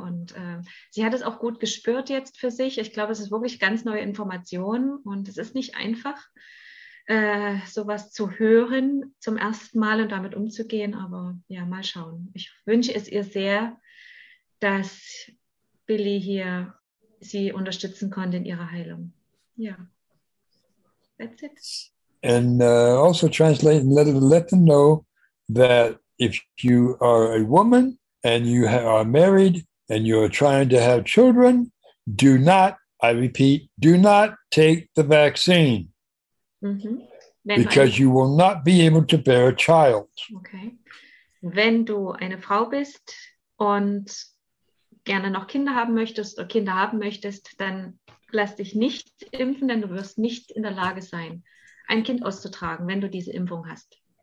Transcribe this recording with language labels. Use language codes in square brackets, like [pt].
[de] Und sie hat es auch gut gespürt jetzt für sich. Ich glaube, es ist wirklich ganz neue Information und es ist nicht einfach, sowas zu hören zum ersten Mal und damit umzugehen. Aber ja, mal schauen. Ich wünsche es ihr sehr, dass Billy hier sie unterstützen konnte in ihrer Heilung. [en] Ja, that's it. And also translate and let them know that if you are a woman and you are married and you're trying to have children, do not, I repeat, do not take the vaccine. Mm-hmm. Because you will not be able to bear a child. Okay. [de] Wenn du eine Frau bist und gerne noch Kinder haben möchtest oder Kinder haben möchtest, dann lass dich nicht impfen, denn du wirst nicht in der Lage sein, ein Kind auszutragen, wenn du diese Impfung hast.